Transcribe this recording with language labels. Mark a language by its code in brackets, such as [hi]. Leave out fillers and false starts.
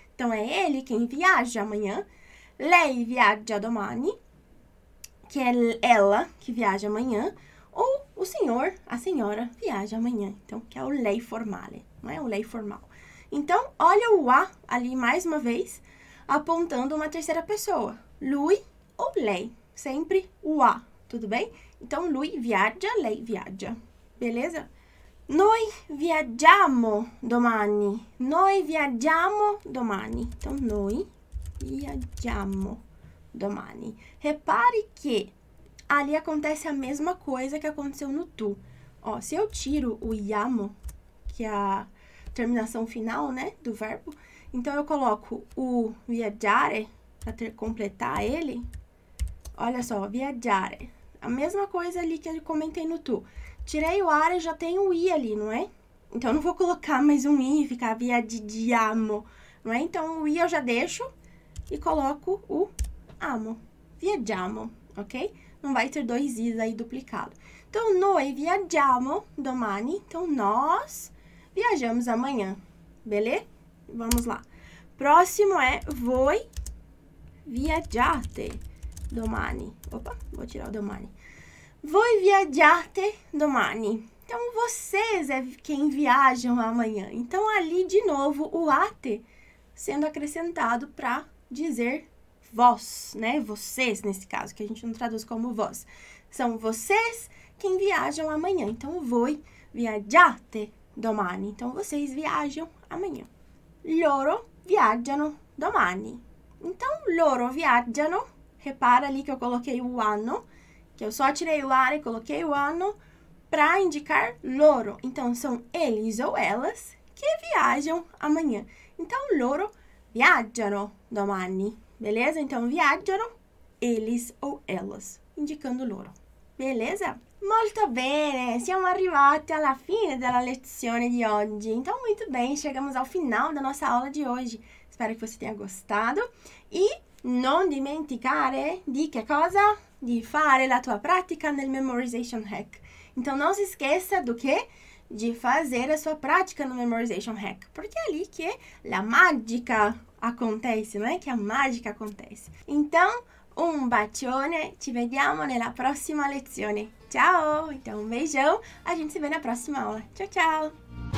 [pt] Então, é ele quem viaja amanhã. [it] Lei viaggia domani, [pt] que é ela que viaja amanhã, ou o senhor, a senhora viaja amanhã, então que é o lei formale, não é o lei formal. Então, olha o a ali mais uma vez, apontando uma terceira pessoa, lui ou lei, sempre o a, tudo bem? [it] Então, lui viaggia, lei viaggia, beleza? Noi viaggiamo domani, noi viaggiamo domani, então noi viaggiamo domani. [pt] Repare que ali acontece a mesma coisa que aconteceu no tu. Ó, se eu tiro o iamo, que é a terminação final, né, do verbo, então eu coloco o viaggiare para completar ele. Olha só, viaggiare. A mesma coisa ali que eu comentei no tu. Tirei o are, já tem o i ali, não é? Então eu não vou colocar mais um i e ficar viaggiamo, não é? Então o i eu já deixo e coloco o amo, viaggiamo, ok? Não vai ter dois i's aí duplicado. [it] Então, noi viaggiamo domani. [pt] Então, nós viajamos amanhã, beleza? Vamos lá. Próximo é [it] voi viaggiate domani. [pt] Opa, vou tirar o domani. [it] Voi viaggiate domani. [pt] Então, vocês é quem viajam amanhã. Então, ali de novo o ate sendo acrescentado para dizer vós, né? Vocês, nesse caso, que a gente não traduz como vós. São vocês quem viajam amanhã. [it] Então, voi viaggiate domani. [pt] Então, vocês viajam amanhã. [it] Loro viaggiano domani. [pt] Então, [it] loro viaggiano. [pt] Repara ali que eu coloquei o ano, que eu só tirei o are e coloquei o ano para indicar loro. Então, são eles ou elas que viajam amanhã. [it] Então, loro viaggiano domani. [pt] Beleza? Então, viaggiano, eles ou elas, indicando loro. Beleza? [it] Molto bene! Siamo arrivati alla fine della lezione di oggi. [pt] Então, muito bem, chegamos ao final da nossa aula de hoje. Espero que você tenha gostado. [it] E non dimenticare di che cosa? Di fare la tua pratica nel Memorization Hack. [pt] Então, não se esqueça do quê? De fazer a sua prática no Memorization Hack. Porque é ali que [it] la magica [pt] acontece, não é? Que a mágica acontece. Então, [it] um bacione, ci vediamo nella prossima lezione. Ciao! [pt] Então, um beijão, a gente se vê na próxima aula. Tchau, tchau!